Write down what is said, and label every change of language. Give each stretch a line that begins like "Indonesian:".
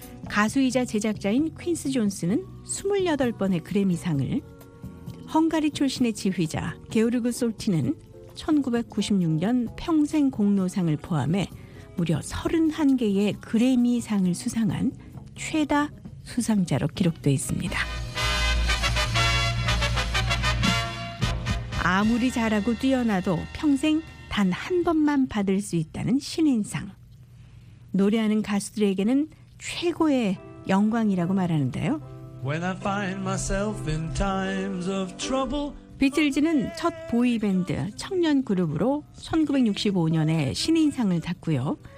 Korean: 가수이자 제작자인 퀸스 존스는 28번의 그래미상을, 헝가리 출신의 지휘자 게오르그 솔티는 1996년 평생 공로상을 포함해 무려 31개의 그래미상을 수상한 최다 수상자로 기록돼 있습니다. 아무리 잘하고 뛰어나도 평생 단 한 번만 받을 수 있다는 신인상. 노래하는 가수들에게는 최고의 영광이라고 말하는데요.
English: When I find myself in times of trouble.
Korean: 비틀즈는 첫 보이밴드 청년 그룹으로 1965년에 신인상을 탔고요.